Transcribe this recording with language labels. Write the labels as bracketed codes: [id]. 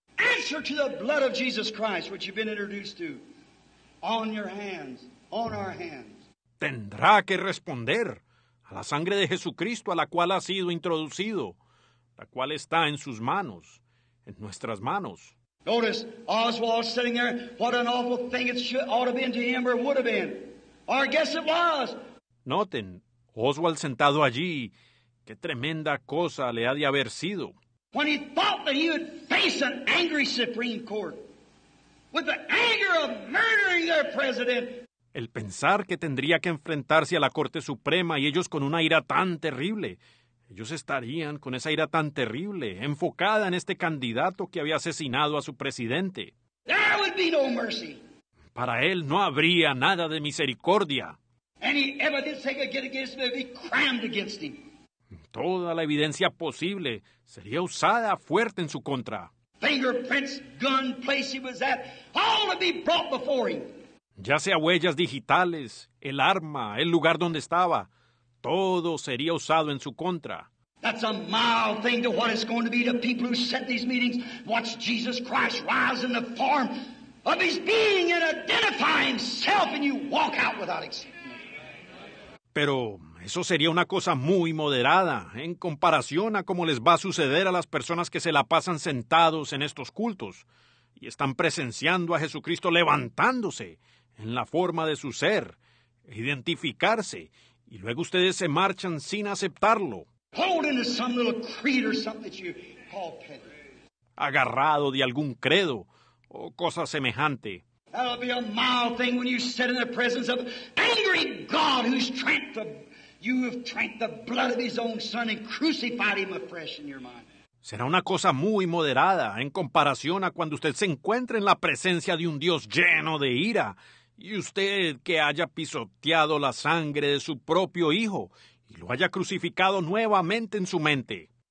[en] Answer to the blood of Jesus Christ, which you've been introduced to, on your hands. On our hands. [es] Tendrá que responder a la sangre de Jesucristo a la cual ha sido introducido, la cual está en sus manos, en nuestras manos. [en] Notice Oswald sitting there. What an awful thing it should, ought to be to him, or would have been. Or I guess it was. [es] Noten, Oswald sentado allí, qué tremenda cosa le ha de haber sido. [en] When he thought that he would face an angry Supreme Court with the anger of murdering their president. [es] El pensar que tendría que enfrentarse a la Corte Suprema y ellos con una ira tan terrible. Ellos estarían con esa ira tan terrible, enfocada en este candidato que había asesinado a su presidente. [en] There would be no mercy. [es] Para él no habría nada de misericordia. [en] Any evidence they could get against him would be crammed against him. [es] Toda la evidencia posible sería usada fuerte en su contra. [en] Fingerprints, gun, place he was at, all would be brought before him. [es] Ya sea huellas digitales, el arma, el lugar donde estaba, todo sería usado en su contra. [en] That's a mild thing to what it's going to be to people who set these meetings, watch Jesus Christ rise in the form of his being and identify himself, and you walk out without exception. [es] Pero eso sería una cosa muy moderada en comparación a cómo les va a suceder a las personas que se la pasan sentados en estos cultos y están presenciando a Jesucristo levantándose en la forma de su ser, identificarse, y luego ustedes se marchan sin aceptarlo. [en] Holding to some little creed or something that you call petty. [es] Agarrado de algún credo o cosa semejante. [en] That'll be a mild thing when you sit in the presence of angry God who's tranked the blood of his own son and crucified him afresh in your mind. [es] Será una cosa muy moderada en comparación a cuando usted se encuentre en la presencia de un Dios lleno de ira. Y usted que haya pisoteado la sangre de su propio hijo y lo haya crucificado nuevamente en su mente.